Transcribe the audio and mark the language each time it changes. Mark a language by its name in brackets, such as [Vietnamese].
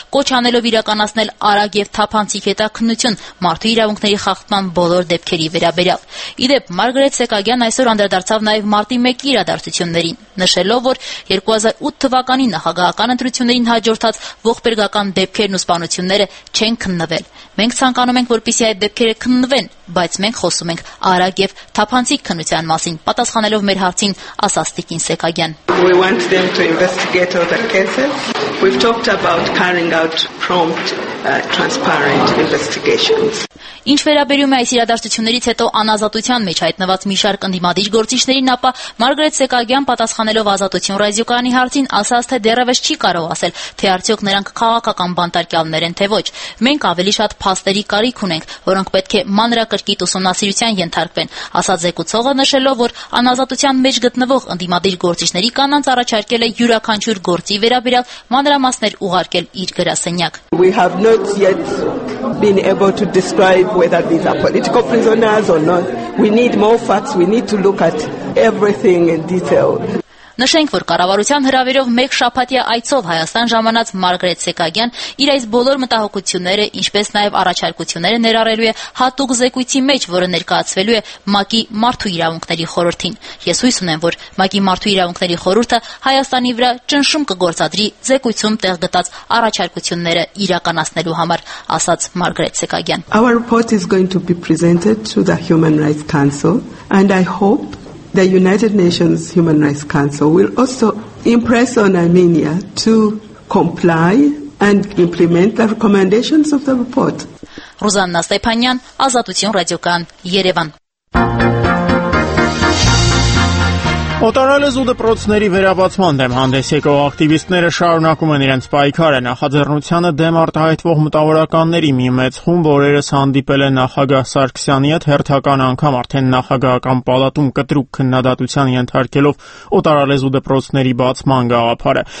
[Armenian] կոչ անելով իրականացնել արագ և թափանցիկ հետաքննություն մարդու իրավունքների խախտման բոլոր դեպքերի վերաբերյալ։ Ի դեպ, Մարգրետ Սեկագյան այսօր անդրադարձավ նաև մարտի 1-ի իրադարձություններին, նշելով, որ 2008 թվականի նախագահական ընտրություններին հաջորդած ողբերգական դեպքերն ու սպանությունները չեն քննվել։ «Մենք ցանկանում ենք, որպեսզի այդ դեպքերը քննվեն, բայց մենք խոսում ենք արագ և թափանցիկ քննության մասին», պատասխանելով մեր հարցին ասաց Տիկին Սեկագյան։ [English] «We want them to investigate all the cases. We've talked about carrying out prompt transparent investigations». [Armenian] Ինչ վերաբերում է այս իրադարձություններից հետո անազատության մեջ հայտնված մի շարք ընդդիմադիր գործիչներին, ապա Մարգրետ Սեկագյան, պատասխանելով Ազատություն ռադիոկանալի հարցին, ասաց, թե դեռևս չի կարող ասել, թե արդյոք նրանք քաղաքական բանտարկյալներ են, թե ոչ։ «Մենք ավելի շատ փաստերի կարիք ունենք, որոնք պետք է մանրակրկիտ ուսումնասիրության ենթարկվեն», ասաց զեկուցողը, նշելով, որ անազատության մեջ գտնվող ընդդիմադիր գործիչների կանանց առաջարկել է յուրաքանչյուր գործի վերաբերյալ մանրամասներ ուղարկել իր գրասենյակ։ [English] Been able to describe whether these are political prisoners or not. We need more facts. We need to look at everything in detail. [Armenian] Նշենք, որ կառավարության հրավերով մեկ շաբաթյա այցով Հայաստան ժամանած Մարգրետ Սեկագյան իր այս բոլոր մտահոգությունները, ինչպես նաև առաջարկությունները ներառելու է հատուկ զեկույցի մեջ, որը ներկայացվելու է ՄԱԿ-ի մարդու իրավունքների խորհրդին։ «Ես հույս ունեմ, որ ՄԱԿ-ի մարդու իրավունքների խորհուրդը Հայաստանի վրա ճնշում կգործադրի զեկույցում տեղ գտած առաջարկությունները իրականացնելու համար», ասաց Մարգրետ Սեկագյան։ [English] «Our report is going to be presented to the Human Rights Council, and I hope the United Nations Human Rights Council will also impress on Armenia to comply and implement the recommendations of the report.» [Armenian] Ռուզաննա Ստեփանյան, Ազատություն ռադիոկան, Երևան։ Օտարալեզ ու դպրոցների վերաբացման դեմ հանդես եկող ակտիվիստները շարունակում են իրենց պայքարը։ Նախաձեռնությանը դեմ արտահայտվող մտավորականների մի մեծ խումբ օրերս հանդիպել է նախագահ Սարգսյանի հետ, հերթական անգամ արդեն նախագահական պալատում կտրուկ քննադատության ենթարկելով օտարալեզ ու դպրոցների բացման գաղափարը։